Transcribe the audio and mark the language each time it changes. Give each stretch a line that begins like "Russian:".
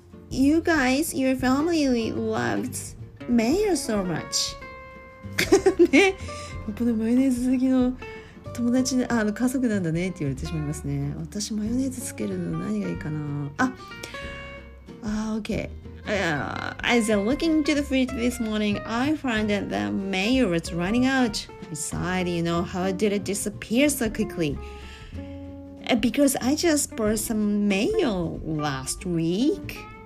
English: You guys, your family loved mayo so much.
Japanese: ね、このマヨネーズ好きの友達、あの家族なんだねって言われてしまいますね。私マヨネーズつけるの何がいいかな。
English: Okay. As I was looking into the fridge this morning, I found that the mayo was running out. I sighed, you know, how did it disappear so quickly? Because I just bought some mayo last week.